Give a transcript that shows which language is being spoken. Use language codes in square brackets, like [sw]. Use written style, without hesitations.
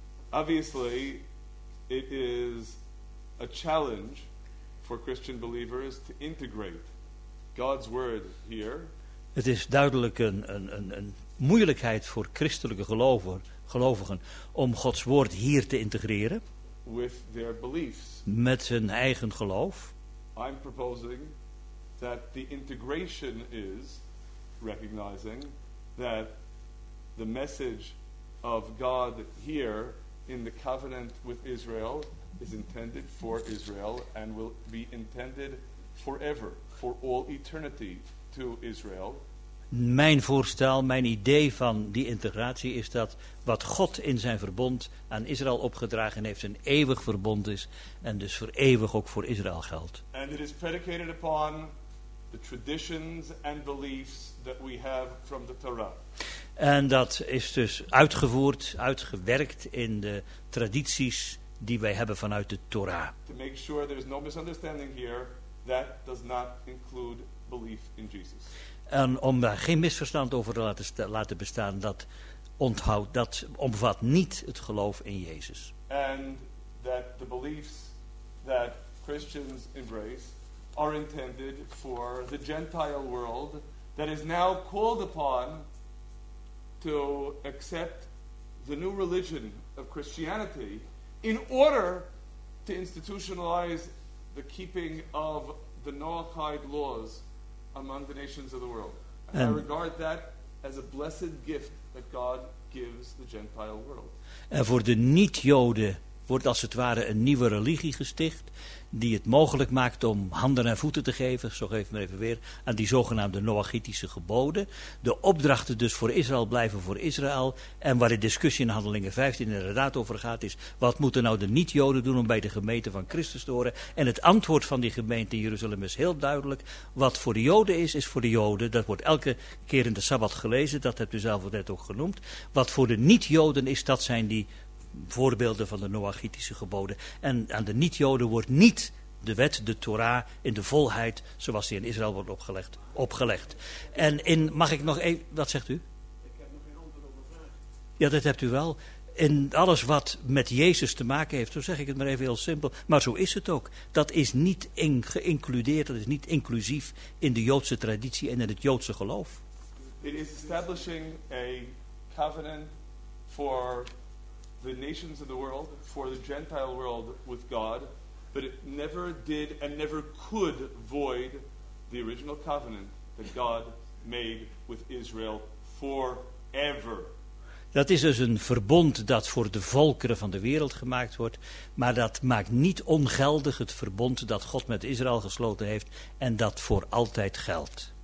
[en] Obviously, it is a challenge for Christian believers to integrate God's word here. [nl] Het is duidelijk een moeilijkheid voor christelijke gelovigen om Gods woord hier te integreren. [en] With their beliefs. [nl] Met hun eigen geloof. [en] I'm proposing that the integration is recognizing that the message of God here in the covenant with Israel is intended for Israel and will be intended forever, for all eternity to Israel. [nl] Mijn voorstel, mijn idee van die integratie is dat wat God in zijn verbond aan Israël opgedragen heeft, een eeuwig verbond is en dus voor eeuwig ook voor Israël geldt. [en] And it is predicated upon the traditions and beliefs that we have from the Torah. [nl] En dat is dus uitgevoerd, uitgewerkt in de tradities die wij hebben vanuit de Torah. [en] To make sure there is no misunderstanding here, that does not include belief in Jesus. [nl] En om daar geen misverstand over te laten bestaan, dat onthoudt, dat omvat niet het geloof in Jezus. [en] And that the beliefs that Christians embrace are intended for the Gentile world that is now called upon to accept the new religion of Christianity in order to institutionalize the keeping of the Noahide laws among the nations of the world. And I regard that as a blessed gift that God gives the Gentile world. [nl] En voor de niet-Joden wordt als het ware een nieuwe religie gesticht die het mogelijk maakt om handen en voeten te geven, zo geef ik maar even weer, aan die zogenaamde Noachitische geboden. De opdrachten dus voor Israël blijven voor Israël. En waar de discussie in Handelingen 15 inderdaad over gaat is, wat moeten nou de niet-Joden doen om bij de gemeente van Christus te horen? En het antwoord van die gemeente in Jeruzalem is heel duidelijk. Wat voor de Joden is, is voor de Joden. Dat wordt elke keer in de Sabbat gelezen, dat hebt u zelf net ook genoemd. Wat voor de niet-Joden is, dat zijn die voorbeelden van de Noachitische geboden. En aan de niet-Joden wordt niet de wet, de Torah, in de volheid, zoals die in Israël wordt opgelegd. En in, mag ik nog even, wat zegt u? Ik heb nog geen antwoord op de vraag. Ja, dat hebt u wel. In alles wat met Jezus te maken heeft, zo zeg ik het maar even heel simpel, maar zo is het ook. Dat is niet geïncludeerd, dat is niet inclusief in de Joodse traditie en in het Joodse geloof. [en] It is establishing a covenant for the nations of the world, for the Gentile world with God, but it never did and never could void the original covenant that God made with Israel forever. [nl] Dat is dus een verbond dat voor de volkeren van de wereld gemaakt wordt, maar dat maakt niet ongeldig het verbond dat God met Israël gesloten heeft en dat voor altijd geldt.